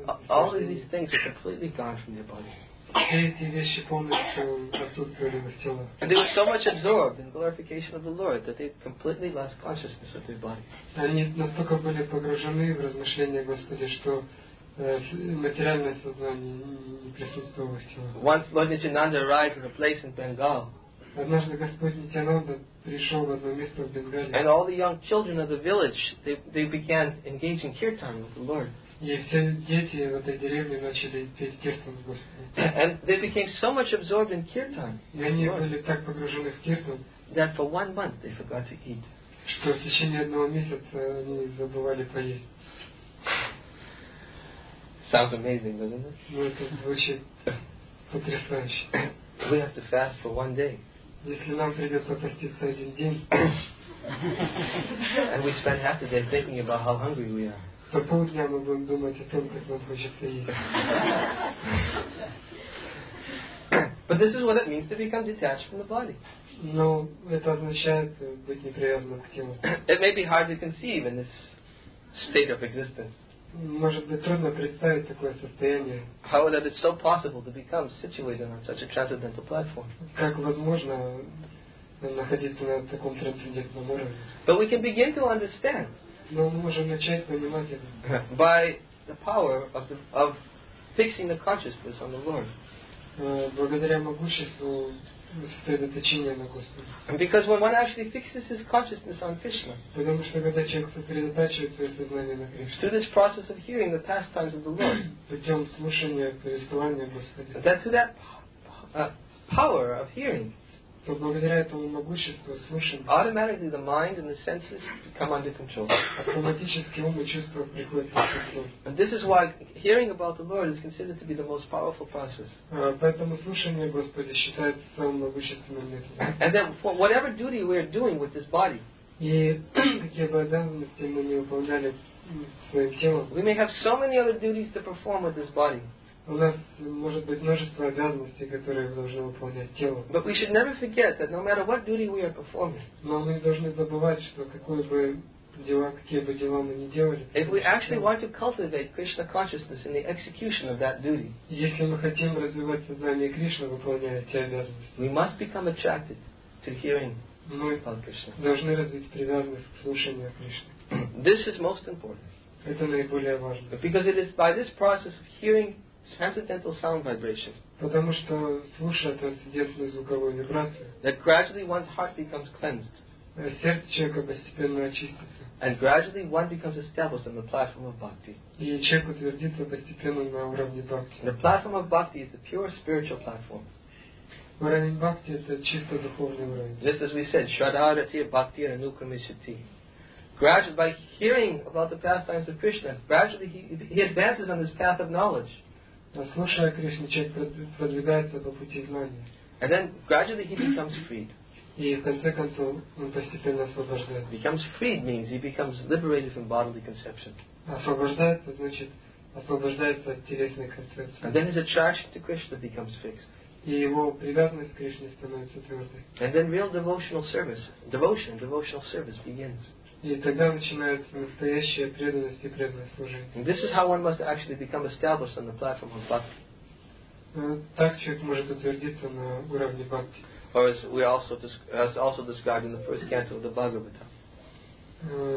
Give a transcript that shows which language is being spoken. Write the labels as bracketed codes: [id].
[en] all of these things are completely gone from their bodies. And they were so much absorbed in glorification of the Lord that they completely lost consciousness of their body. [ru] Они настолько были погружены в размышления Господи, что материальное сознание не присутствовало в теле. [en] Once Lord Nityananda arrived at a place in Bengal. [ru] Однажды Господь Нитянанда пришел в одно место в Бенгалии. [en] And all the young children of the village they began engaging kirtan with the Lord. [ru] И все дети в этой деревне начали петь киртан с Господом. [en] And they became so much absorbed in kirtan. [ru] И они были так погружены в киртан. [en] That for 1 month they forgot to eat. [ru] Что в течение одного месяца они забывали поесть. [en] Sounds amazing, doesn't it? [ru] Ну это звучит потрясающе. [en] We have to fast for 1 day. [ru] Если нам придется поститься один день. [en] And we spend half the day thinking about how hungry we are. [ru] По полдня мы будем думать о том, как нам хочется есть. [en] But this is what it means to become detached from the body. [ru] Но это означает быть непривязанным к телу. [en] It may be hard to conceive in this state of existence. [ru] Может быть трудно представить такое состояние. [en] How that it's so possible to become situated on such a transcendental platform. [ru] Как возможно находиться на таком трансцендентном уровне? [en] But we can begin to understand. [ru] Но мы можем начать понимать это. [en] By the power of fixing the consciousness on the Lord. [ru] Благодаря могуществу сосредоточения на Господе. [en] Because when one actually fixes his consciousness on Krishna. [ru] Потому что когда человек сосредотачивает свое сознание на Кришне. [en] Through this process of hearing the pastimes of the Lord. [ru] Путем слушания повествования Господа. [en] That through that power of hearing. [ru] то благодаря этому могуществу слышим. [en] Automatically the mind and the senses come under control. [ru] Автоматически ум и чувства приходят под контроль. [en] And this is why hearing about the Lord is considered to be the most powerful process. [ru] Поэтому слушание Господа считается самым могущественным методом. [en] And then whatever duty we are doing with this body. [ru] И какие бы обязанности мы не выполняли своим телом. [en] We may have so many other duties to perform with this body. [ru] У нас может быть множество обязанностей, которые должно выполнять тело. [en] But we should never forget that no matter what duty we are performing. [ru] Но мы должны забывать, что какие бы дела, какие бы дела мы ни делали. [en] If we actually want to cultivate Krishna consciousness in the execution of that duty. [ru] Если мы хотим развивать сознание Кришны, выполняя эти обязанности. [en] We must become attracted to hearing about Krishna. [ru] Мы должны развить привязанность к слушанию Кришны. [en] This is most important. [ru] Это наиболее важно. [en] Because it is by this process of hearing transcendental sound vibration. [ru] Потому что слушая трансцендентную звуковую вибрацию. [en] That gradually one's heart becomes cleansed. [ru] Сердце человека постепенно очистится. [en] And gradually one becomes established on the platform of bhakti. [ru] И человек утвердится постепенно на уровне бхакти. [en] The platform of bhakti is the pure spiritual platform. [ru] Уровень бхакти это чисто духовный уровень. [en] Just as we said, [sa] shraddha bhakti anukramishati. [en] Gradually, by hearing about the pastimes of Krishna, gradually he advances on this path of knowledge. [ru] Слушая Кришну, человек продвигается по пути знания. [en] And then gradually he becomes freed. [ru] И в конце концов он постепенно освобождается. [en] Becomes freed means he becomes liberated from bodily conception. [ru] Освобождается значит освобождается от телесной концепции. [en] And then his attraction to Krishna becomes fixed. [ru] И его привязанность к Кришне становится твердой. [en] And then real devotional service, devotion, devotional service begins. [ru] И тогда начинается настоящая преданность и преданное служение. [en] And this is how one must actually become established on the platform of bhakti. [ru] Так человек может утвердиться на уровне бхакти. [en] Or as we also as also described in the first canto of the Bhagavata.